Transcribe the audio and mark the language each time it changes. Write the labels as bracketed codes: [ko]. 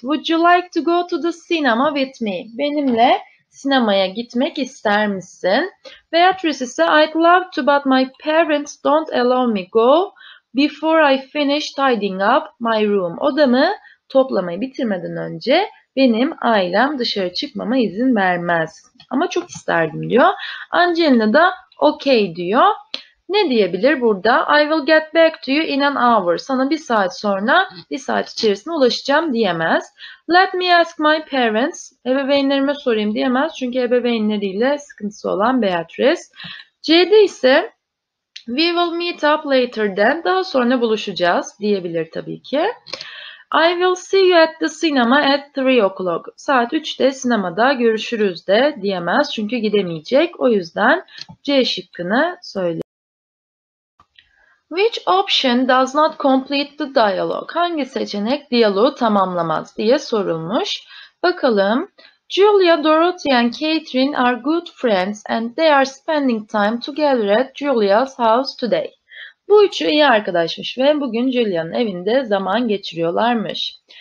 [en] Would you like to go to the cinema with me? [tr] Benimle sinemaya gitmek ister misin? [en] Beatrice ise I'd love to but my parents don't allow me go before I finish tidying up my room. [tr] Odamı toplamayı bitirmeden önce benim ailem dışarı çıkmama izin vermez. Ama çok isterdim diyor. Angelina da [en] okay [tr] diyor. Ne diyebilir burada? [en] I will get back to you in an hour. [tr] Sana bir saat sonra, bir saat içerisinde ulaşacağım diyemez. [en] Let me ask my parents. [tr] Ebeveynlerime sorayım diyemez. Çünkü ebeveynleriyle sıkıntısı olan Beatrice. [en] C'de ise we will meet up later then. [tr] Daha sonra buluşacağız diyebilir tabii ki. [en] I will see you at the cinema at 3 o'clock. [tr] Saat 3'te sinemada görüşürüz de diyemez. Çünkü gidemeyecek. O yüzden C şıkkını söyleyeyim. [en] Which option does not complete the dialogue? [tr] Hangi seçenek diyaloğu tamamlamaz diye sorulmuş. Bakalım. [en] Julia, Dorothy and Catherine are good friends and they are spending time together at Julia's house today. [tr] Bu üçü iyi arkadaşmış ve bugün Julia'nın evinde zaman geçiriyorlarmış.